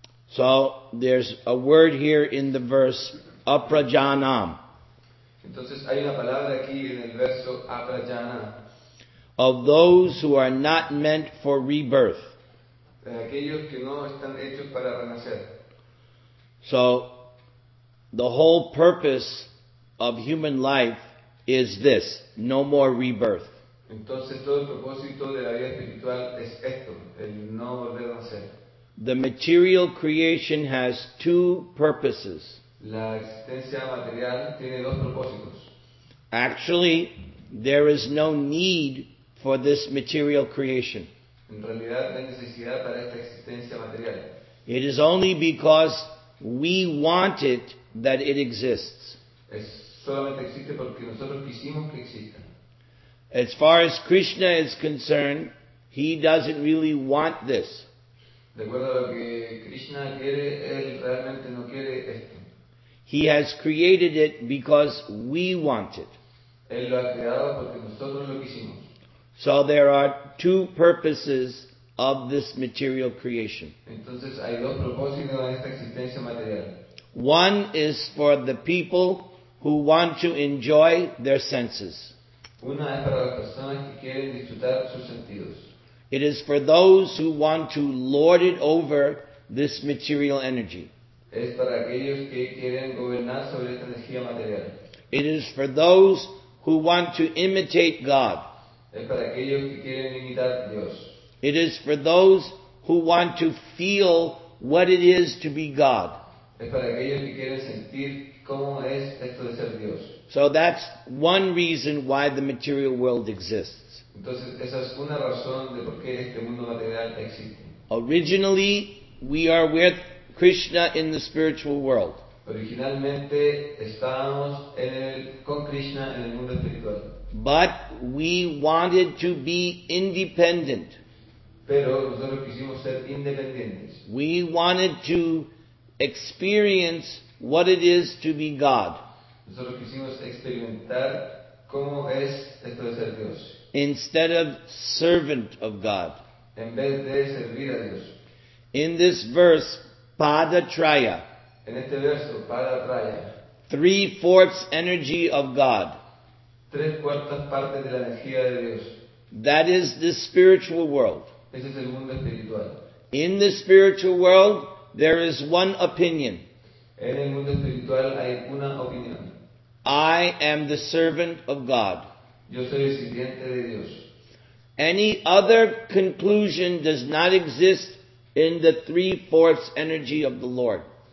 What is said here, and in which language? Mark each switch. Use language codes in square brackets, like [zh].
[en] So there's a word here in the verse Aprajanam. [es] Entonces hay una palabra aquí en el verso Aprajana. [en] Of those who are not meant for rebirth. [es] De aquellos que no están hechos para renacer. [en] So, the whole purpose of human life is this, no more rebirth. [es] Entonces, todo el propósito de la vida espiritual es esto, el no volver a nacer. [en] The material creation has two purposes. [es] La existencia material tiene dos propósitos. [en] Actually, there is no need for this material creation. [es] En realidad, no hay necesidad para esta existencia material. [en] It is only because we want it that it exists. [es] Es solamente existe porque nosotros quisimos que exista. [en] As far as Krishna is concerned, he doesn't really want this. [es] De acuerdo a lo que Krishna quiere, él realmente no quiere esto. [en] He has created it because we want it. [es] Él lo ha creado porque nosotros lo quisimos. [en] So there are two purposes of this material creation. [es] Entonces, hay dos propósitos en esta existencia material. [en] One is for the people who want to enjoy their senses. [es] Una es para las personas que quieren disfrutar sus sentidos. [en] It is for those who want to lord it over this material energy. [es] Es para aquellos que quieren gobernar sobre esta energía material. [en] It is for those who want to imitate God. [es] Es para aquellos que quieren imitar a Dios. [en] It is for those who want to feel what it is to be God. [es] Es para aquellos que quieren sentir cómo es esto de ser Dios. [en] So that's one reason why the material world exists. [es] Entonces, esa es una razón de por qué este mundo material existe. [en] Originally, we are with Krishna in the spiritual world. [es] Originalmente, estábamos con Krishna en el mundo espiritual. [en] But we wanted to be independent. [es] Pero nosotros quisimos ser independientes. [en] We wanted to experience what it is to be God. [es] Nosotros quisimos experimentar cómo es esto de ser Dios. [en] Instead of servant of God. [es] En vez de servir a Dios. [en] In this verse, Padatraya. [es] En este verso, Padatraya. [en] Three-fourths energy of God. [es] Tres cuartas partes de la energía de Dios. [en] That is the spiritual world. [es] Ese es el mundo espiritual. [en] In the spiritual world, there is one opinion. [es] En el mundo espiritual hay una opinión. [en] I am the servant of God. [es] Yo soy el sirviente de Dios. [en] Any other conclusion does not exist in the three-fourths energy of the Lord.